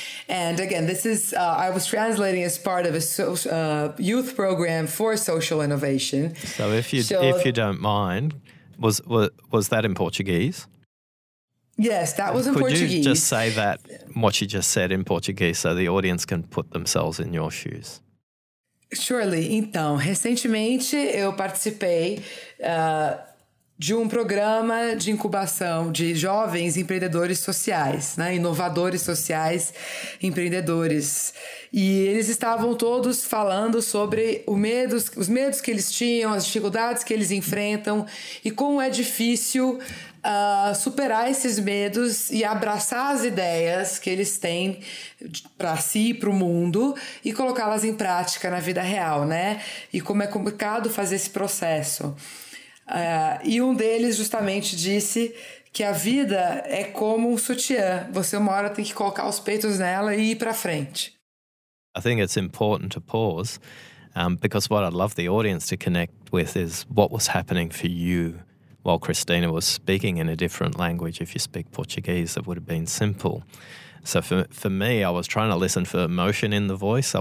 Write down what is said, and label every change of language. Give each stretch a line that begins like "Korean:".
English: And again, this is I was translating as part of a youth program for social innovation. So if you don't mind, was that in Portuguese? Yes, that was in Portuguese. Could you just say that, what she just said in Portuguese, so the audience can put themselves in your shoes? Surely.
Portuguese: Então, recentemente eu participei de programa de incubação de jovens empreendedores sociais, né, inovadores sociais, empreendedores. E eles estavam todos falando sobre os medos que eles tinham, as dificuldades que eles enfrentam e como é difícil superar esses medos e abraçar as ideias que eles têm para si e para o mundo e colocá-las em prática na vida real, né? E como é complicado fazer esse processo. E um deles justamente disse que a vida é como um sutiã. Você uma hora tem que colocar os peitos nela e ir para frente.
English: I think it's important to pause, because what I'd love the audience to connect with is what was happening for you while Christina was speaking in a different language. If you speak Portuguese, it would have been simple. So for me, I was trying to listen for emotion in the voice.